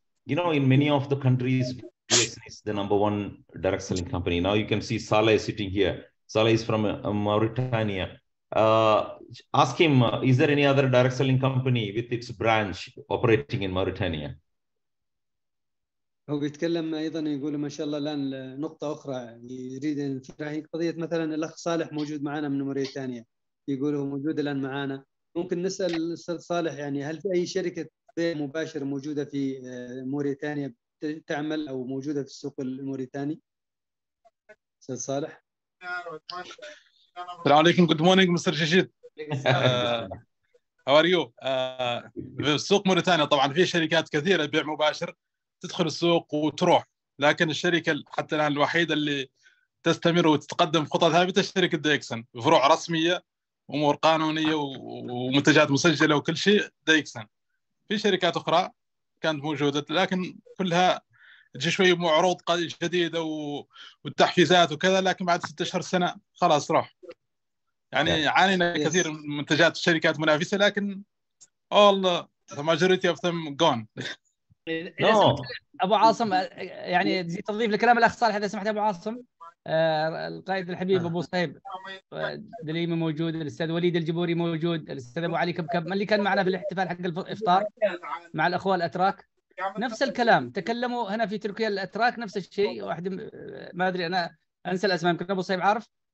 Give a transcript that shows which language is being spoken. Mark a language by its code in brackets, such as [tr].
[en] You know, in many of the countries DXN is the number one direct selling company. Now you can see Saleh sitting here. Saleh is from Mauritania. Ask him, is there any other direct selling company with its branch operating in Mauritania? [ar] هو بيتكلم ايضا يقول ما شاء الله الان نقطه اخرى يريد ان هي قضيه، مثلا الاخ صالح موجود معنا من موريتانيا، يقول هو موجود الان معنا. ممكن نسال الاستاذ صالح يعني هل في اي شركه بيع مباشر موجوده في موريتانيا تعمل او موجوده في السوق الموريتاني؟ استاذ صالح. السلام عليكم. [en] Good morning mister ششيد، how are you? [ar] في السوق موريتانيا طبعا في شركات كثيره بيع مباشر تدخل السوق وتروح، لكن الشركة حتى الآن الوحيدة اللي تستمر وتتقدم خطة ثابتة شركة ديكسن، فروع رسمية أمور قانونية ومنتجات مسجلة وكل شيء ديكسن. في شركات أخرى كانت موجودة لكن كلها تجي شوي معروض جديدة والتحفيزات وكذا، لكن بعد 16 سنة خلاص روح. يعني عانينا كثير من منتجات الشركات المنافسة، لكن والله [en] the majority of them gone. No. [ar] أبو عاصم يعني زي تضيف لكلام الأخ صالح إذا سمحت أبو عاصم القائد الحبيب أبو صهيب دليمة موجود، الأستاذ وليد الجبوري موجود، الأستاذ أبو علي كبكب من اللي كان معنا في الاحتفال حق الإفطار مع الأخوة الأتراك، نفس الكلام تكلموا هنا في تركيا الأتراك نفس الشيء، واحد ما أدري أنا أنسى الأسماء يمكن أبو صهيب عارف،